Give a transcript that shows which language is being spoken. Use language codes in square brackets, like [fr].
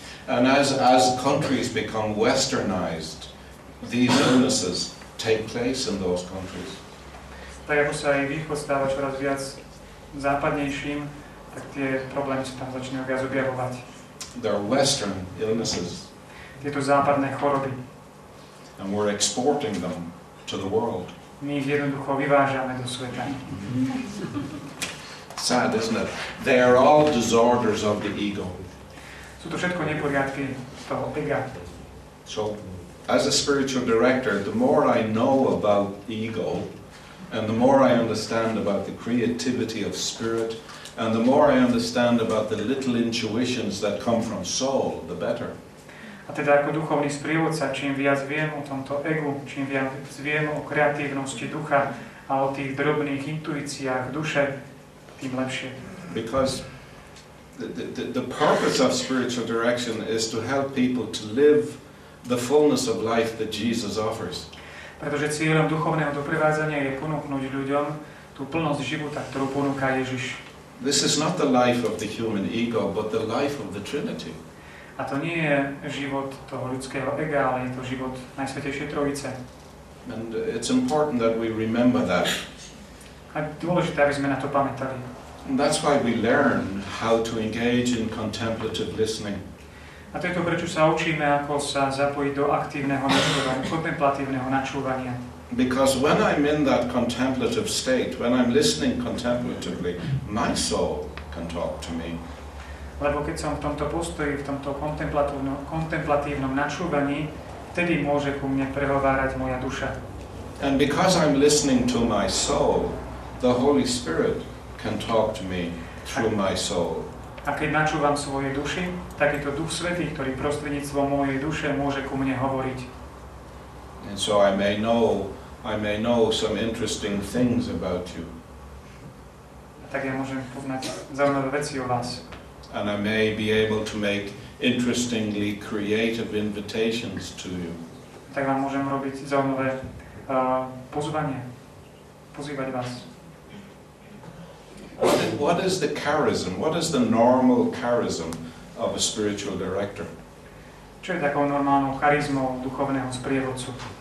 [en] And as countries become westernized, these illnesses take place in those countries. [sk] Tak ako sa aj východ stáva čoraz viac západnejším, tak tie problémy sa tam začínajú viac objavovať. [en] their Western illnesses. [sk] Tieto západné choroby. [en] And we're exporting them to the world. [sk] My ich jednoducho vyvážame do sveta. [en] Sad, isn't it? They are all disorders of the ego. [sk] Sú to všetko neporiadky toho ega. [en] So, as a spiritual director, the more I know about ego, and the more I understand about the creativity of spirit, and the more I understand about the little intuitions that come from soul, the better. [sk] A teda ako duchovný sprievodca, čím viac viem o tomto egu, čím viac viem o kreatívnosti ducha a o tých drobných intuíciách duše, tým lepšie. [en] Because the purpose of spiritual direction is to help people to live the fullness of life that Jesus offers. [sk] Pretože cieľom duchovného doprevádzania je ponúknuť ľuďom tú plnosť života, ktorú ponúka Ježiš. [en] This is not the life of the human ego, but the life of the Trinity. [sk] A to nie je život toho ľudského ega, ale je to život Najsvätejšej Trojice. [en] And it's important that we remember that. [sk] A dôležité, aby sme na to pamätali. [en] And that's why we learn how to engage in contemplative listening. [sk] A to je to, prečo sa učíme, ako sa zapojiť do aktívneho načúvania, kontemplatívneho načúvania. [en] Because when I'm in that contemplative state, when I'm listening contemplatively, my soul can talk to me. [sk] Lebo keď som v tomto postoji, v tomto kontemplatívnom načúvaní, vtedy môže ku mne prehovárať moja duša. [en] And because I'm listening to my soul, the Holy Spirit can talk to me through my soul. [sk] A keď načúvam svojej duši, tak je to Duch Svätý, ktorý prostredníctvom mojej duše môže ku mne hovoriť. [en] And so I may know some interesting things about you. [sk] Tak ja môžem poznať zaujímavé veci o vás. [en] And I may be able to make interestingly creative invitations to you. [sk] Tak vám môžem robiť zaujímavé pozvanie, pozývať vás. [en] What is the charism? What is the normal charism of a spiritual director? [sk] Čo je takou normálnou charizmou duchovného sprievodcu?